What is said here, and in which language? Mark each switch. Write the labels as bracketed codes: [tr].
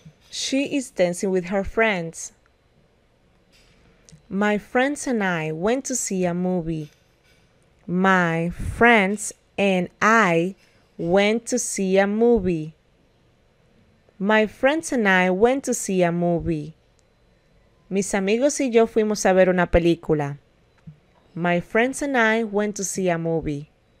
[en] She is dancing with her friends. My friends and I went to see a movie. My friends and I went to see a movie. My friends and I went to see a movie. [es] Mis amigos y yo fuimos a ver una película. [en] My friends and I went to see a movie.